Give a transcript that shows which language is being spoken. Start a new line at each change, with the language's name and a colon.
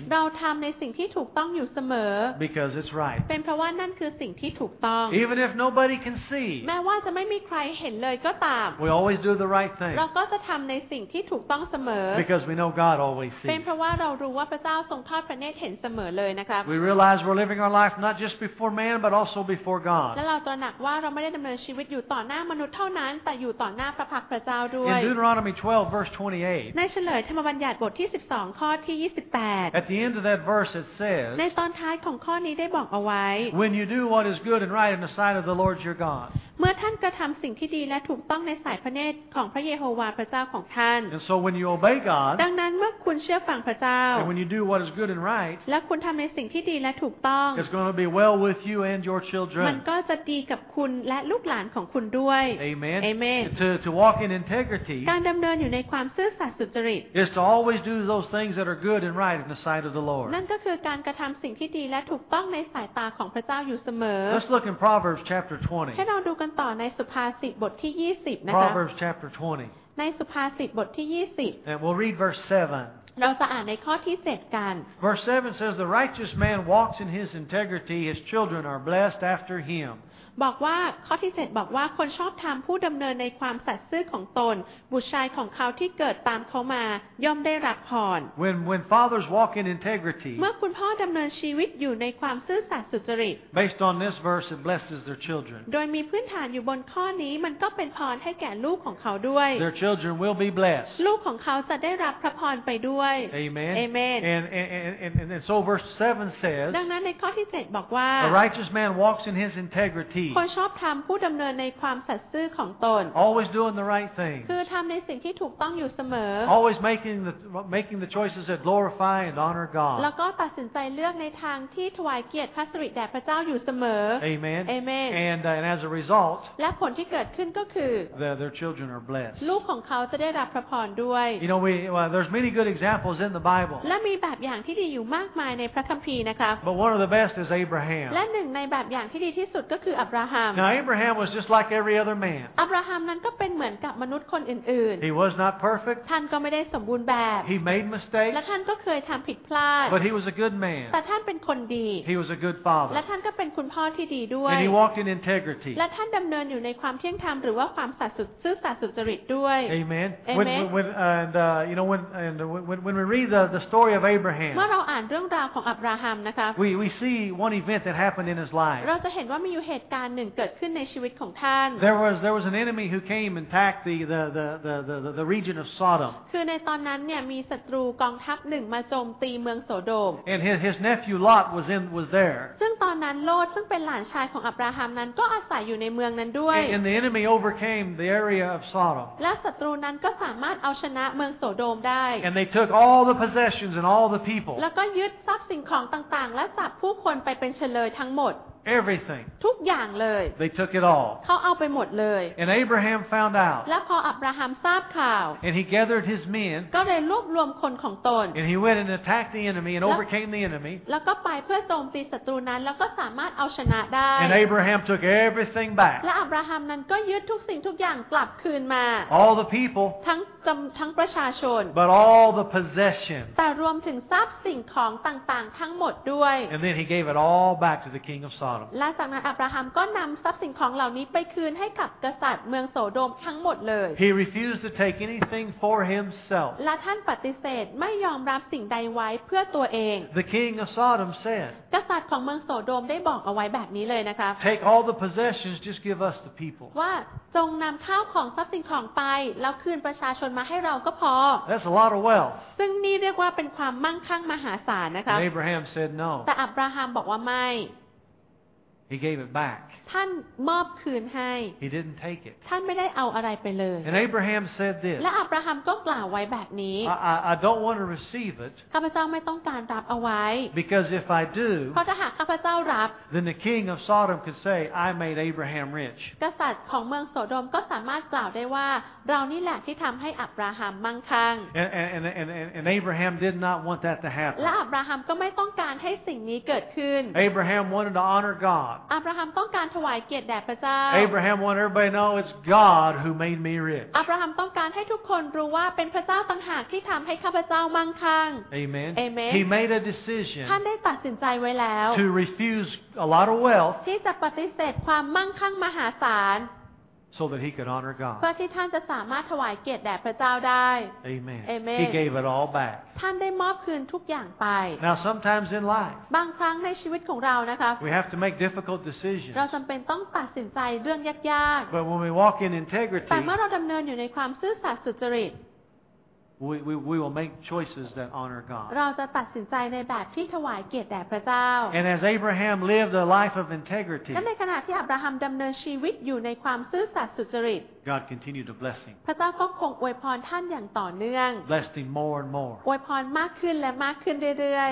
Thai: เราทำในสิ่งที่ถูกต้องอยู่เสมอ
English: Because it's right.
Thai: เป็นเพราะว่านั่นคือสิ่งที่ถูกต้อง
English: Even if nobody can see.
Thai: แม้ว่าจะไม่มีใครเห็นเลยก็ตาม
English: We always do the right thing.
Thai: เราก็จะทำในสิ่งที่ถูกต้องเสมอ
English: Because we know God always sees.
Thai: เป็นเพราะว่าเรารู้ว่าพระเจ้าทรงทอดพระเนตรเห็นเสมอเลยนะครับ
English: We realize we're living our life not just before man but also before God.
Thai: และเราตระหนักว่าเราไม่ได้ดำเนินชีวิตอยู่ต่อหน้ามนุษย์เท่านั้นแต่อยู่ต่อหน้าพระพักตร์พระเจ้าด้วย
English: In Deuteronomy 12 verse 28.
Thai: ในเฉลยธรรมบัญญัติบทที่12ข้อที่28.
English: At the end of that verse it says.
Thai: ในตอนท้ายของข้อนี้ได้บอกเอาไว้
English: When you do what is good and right in the sight of the Lord your God.
Thai: เมื่อท่านกระทำสิ่งที่ดีและถูกต้องในสายพระเนตรของพระเยโฮวาห์พระเจ้าของท่าน
English: And so when you obey God
Thai: ดังนั้นเมื่อคุณเชื่อฟังพระเจ้า
English: And when you do what is good and right
Thai: และคุณทำในสิ่งที่ดีและถูกต้อง
English: It's going to be well with you and your children
Thai: มันก็จะดีกับคุณและลูกหลานของคุณด้วย
English: Amen Amen To walk in integrity
Thai: การดำเนินอยู่ในความซื่อสัตย์สุจริต
English: Is to always do those things that are good and right in the sight of the Lord
Thai: นั่นก็คือการกระทำสิ่งที่ดีและถูกต้องในสายตาของพระเจ้าอยู่เสมอ
English: Let's look in Proverbs chapter 20
Thai: ให้เราดูกันต่อในสุภาษิตบทที่20นะคะ
English: Proverbs chapter 20
Thai: ในสุภาษิตบทที่20
English: And we'll read verse 7
Thai: เราจะอ่านในข้อที่7กัน
English: Verse 7 says the righteous man walks in his integrity his children are blessed after him
Thai: บอกว่าข้อที่7บอกว่าคนชอบธรรมผู้ดำเนินในความสัตย์ซื่อของตนบุตรชายของเขาที่เกิดตามเขามาย่อมได้รับพร
English: When fathers walk in integrity
Thai: เมื่อคุณพ่อดำเนินชีวิตอยู่ในความซื่อสัตย์สุจริต
English: Based on this verse it blesses their children
Thai: โดยมีพื้นฐานอยู่บนข้อนี้มันก็เป็นพรให้แก่ลูกของเขาด้วย
English: Their children will be blessed
Thai: ลูกของเขาจะได้รับพระพรไปด้วย
English: Amen Amen and so verse 7 says
Thai: ดังนั้นในข้อที่7บอกว่า
English: The righteous man walks in his integrity
Thai: คนชอบทำผู้ดำเนินในความสัตย์ซื่อของตน
English: Always doing the right things
Thai: คือทำในสิ่งที่ถูกต้องอยู่เสมอ
English: Always making the choices that glorify and honor God
Thai: แล้วก็ตัดสินใจเลือกในทางที่ถวายเกียรติพระสิริแด่พระเจ้าอยู่เสมอ
English: Amen Amen and as a result
Thai: และผลที่เกิดขึ้นก็คือ
English: their children are blessed
Thai: ลูกของเขาจะได้รับพระพรด้วย
English: You know there's many good examples in the Bible
Thai: และมีแบบอย่างที่ดีอยู่มากมายในพระคัมภีร์นะคะ
English: But one of the best is Abraham
Thai: และหนึ่งในแบบอย่างที่ดีที่สุดก็คืออับราฮัม
English: Now Abraham was just like every other man
Thai: อับราฮัมนั้นก็เป็นเหมือนกับมนุษย์คนอื่น
English: ๆ He was not perfect
Thai: ท่านก็ไม่ได้สมบูรณ์แบบ
English: He made mistakes
Thai: และท่านก็เคยทำผิดพลาด
English: But he was a good man
Thai: แต่ท่านเป็นคนดี
English: He was a good father
Thai: และท่านก็เป็นคุณพ่อที่ดีด้วย
English: And he walked in integrity
Thai: และท่านดำเนินอยู่ในความเที่ยงธรรมหรือว่าความสัตย์สุดซื่อสัตย์สุจริตด้วย
English: Amen Amen and you know when we read the story of Abraham
Thai: เมื่อเราอ่านเรื่องราวของอับราฮัมนะคะ
English: We see one event that happened in his life
Thai: เราจะเห็นว่ามีอยู่เหตุการณ์หนึ่งเกิดขึ้นในชีวิตของท่าน
English: There was an enemy who came and attacked the region of Sodom
Thai: คือในตอนนั้นเนี่ยมีศัตรูกองทัพหนึ่งมาโจมตีเมืองโสโดม
English: And his nephew Lot was there
Thai: ซึ่งตอนนั้นโลดซึ่งเป็นหลานชายของอับราฮัมนั้นก็อาศัยอยู่ในเมืองนั้นด้วย
English: And the enemy overcame the area of Sodom
Thai: และศัตรูนั้นก็สามารถเอาชนะเมืองโสโดมได้
English: And they took all the possessions and all the people
Thai: แล้วก็ยึดทรัพย์สินของต่างๆและสับผู้คนไปเป็นเชลยทั้งหมด
English: Everything.
Thai: ทุกอย่างเลย
English: They took it all.
Thai: เขาเอาไปหมดเลย
English: And Abraham found out.
Thai: และพออับราฮัมทราบข่าว
English: And he gathered his men.
Thai: ก็เลยรวบรวมคนของตน
English: And he went and attacked the enemy and overcame the enemy.
Thai: แล้วก็ไปเพื่อโจมตีศัตรูนั้นแล้วก็สามารถเอาชนะได้
English: And Abraham took everything back.
Thai: และอับราฮัมนั้นก็ยึดทุกสิ่งทุกอย่างกลับคืนมา
English: All the people.
Thai: ทั้งประชาชน
English: But all the possessions.
Thai: แต่รวมถึงทรัพย์สินของต่างๆทั้งหมดด้วย
English: And then he gave it all back to the king of Sodom.
Thai: และจากนั้นอับราฮัมก็นำทรัพย์สินของเหล่านี้ไปคืนให้กับกษัตริย์เมืองโสโดมทั้งหมดเลย
English: He refused to take anything for himself
Thai: และท่านปฏิเสธไม่ยอมรับสิ่งใดไว้เพื่อตัวเอง
English: The king of Sodom said
Thai: กษัตริย์ของเมืองโสโดมได้บอกเอาไว้แบบนี้เลยนะคะ
English: Take all the possessions just give us the people
Thai: ว่าจงนำข้าวของทรัพย์สินของไปแล้วคืนประชาชนมาให้เราก็พอ
English: That's a lot of wealth
Thai: ซึ่งนี่เรียกว่าเป็นความมั่งคั่งมหาศาลนะคะ
English: Abraham said no
Thai: แต่อับราฮัมบอกว่าไม่
English: He gave it back.
Thai: ท่านมอบคืนให้
English: He didn't take it.
Thai: ท่านไม่ได้เอาอะไรไปเลย
English: And Abraham said this.
Thai: และอับราฮัมก็กล่าวไว้แบบนี้
English: I don't want to receive it.
Thai: ข้าพเจ้าไม่ต้องการรับเอาไว้
English: Because if I do,
Thai: เพราะถ้าหากข้าพเจ้ารับ
English: then the king of Sodom could say, I made Abraham rich.
Thai: กษัตริย์ของเมืองโสโดมก็สามารถกล่าวได้ว่าเรานี่แหละที่ทำให้อับราฮัมมั่งคั่ง
English: And Abraham did not want that to happen.
Thai: และอับราฮัมก็ไม่ต้องการให้สิ่งนี้เกิดขึ้น
English: Abraham wanted to honor God.
Thai: อับราฮัมต้องการถวายเกียรติแด่พระเจ้า
English: Abraham wanted everybody to know it's God who made me rich.
Thai: อับราฮัมต้องการให้ทุกคนรู้ว่าเป็นพระเจ้าต่างหากที่ทำให้ข้าพเจ้ามั่งคั่ง
English: Amen. Amen. He made a decision.
Thai: ท่านได้ตัดสินใจไว้แล้ว
English: To refuse a lot of wealth.
Thai: ที่จะปฏิเสธความมั่งคั่งมหาศาล
English: So that he could honor God.
Thai: เพื่อที่ท่านจะสามารถถวายเกียรติแด่พระเจ้าได้
English: Amen. Amen. He gave it all back.
Thai: ท่านได้มอบคืนทุกอย่างไป
English: Now sometimes in life.
Thai: บางครั้งในชีวิตของเรานะคะ
English: We have to make difficult decisions.
Thai: เราจำเป็นต้องตัดสินใจเรื่องยาก
English: ๆ But when we walk in integrity.
Thai: แต่เมื่อเราดำเนินอยู่ในความซื่อสัตย์สุจริต
English: We will make choices that honor God.
Thai: เราจะตัดสินใจในแบบที่ถวายเกียรติแด่พระเจ้า
English: And as Abraham lived a life of integrity.
Thai: และในขณะที่อับราฮัมดำเนินชีวิตอยู่ในความซื่อสัตย์สุจริต
English: God continued to bless him.
Thai: พระเจ้าก็คงอวยพรท่านอย่างต่อเนื่อง
English: Blessed him more and more.
Thai: อวยพรมากขึ้นและมากขึ้นเรื่อย